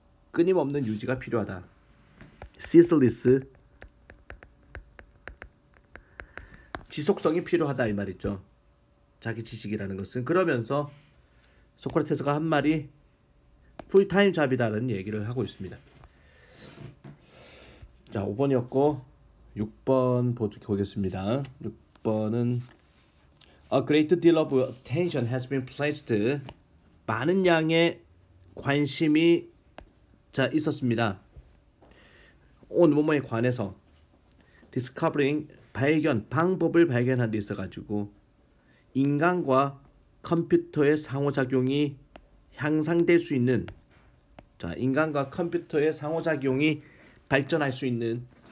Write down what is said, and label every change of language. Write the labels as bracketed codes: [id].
[ko] 끊임없는 유지가 필요하다. [en] Ceaseless [ko] 지속성이 필요하다 이말 있죠. 자기 지식이라는 것은 그러면서 소크라테스가 한 말이 풀타임 잡이다라는 얘기를 하고 있습니다. 자, 5번이었고 6번 보겠습니다. 6번은 [en] A great deal of attention has been placed. [ko] 많은 양의 관심이 자 있었습니다. [en] On [ko] 뭐뭐에 관해서 [en] discovering [ko] 발견 방법을 발견한 데 있어 가지고 인간과 컴퓨터의 상호작용이 향상될 수 있는 자 인간과 컴퓨터의 상호작용이 발전할 수 있는